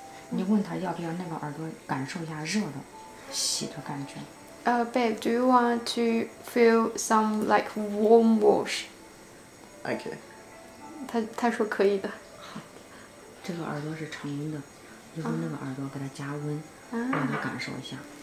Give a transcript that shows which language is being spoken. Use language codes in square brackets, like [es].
[zh] 你问他要不要那个耳朵感受一下热的洗的感觉。 [en] Babe, do you want to feel some like warm wash? Okay. [zh] 他说可以的。这个耳朵是常温的，用那个耳朵给他加温，让他感受一下。